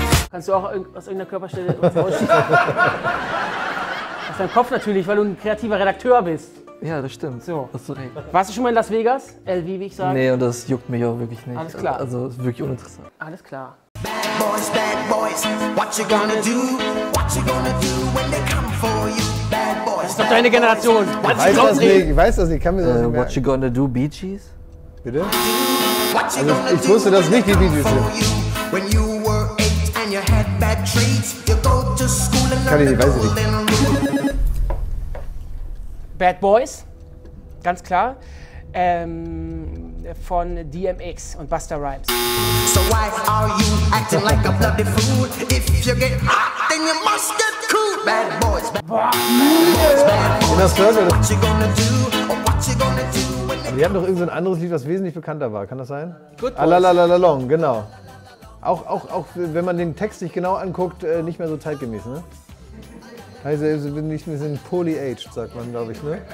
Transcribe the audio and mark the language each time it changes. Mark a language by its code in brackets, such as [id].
[de] Kannst du auch aus irgendeiner Körperstelle rausschießen? Aus deinem Kopf natürlich, weil du ein kreativer Redakteur bist. Ja, das stimmt. So. Hast du recht. Warst du schon mal in Las Vegas? LV, wie ich sage? Nee, und das juckt mich auch wirklich nicht. Alles klar. Also ist wirklich uninteressant. Alles klar. [en] Bad boys, what you gonna do? What you gonna do when they come for you? Bad boys. [de] Das ist doch deine Generation. Ich weiß das nicht, kann mir das nicht mehr. [en] What you gonna do, Bee Gees? [de] Bitte? Also, ich wusste, dass nicht die Bee Gees sind. [en] When you were 8 and you had bad traits, you go to school and learn the golden rule. [de] Bad Boys, ganz klar. Von DMX und Busta Rhymes. [en] So why are you acting like a bloody fool? If you get hot, then you must get cool. Bad boys, [de] Aber die haben doch irgendein anderes Lied, was wesentlich bekannter war. Kann das sein? [en] Good Boys. [de] Alalalalong, genau. Auch wenn man den Text sich genau anguckt, nicht mehr so zeitgemäß, ne? Also wir sind poly-aged, sagt man, glaube ich, ne?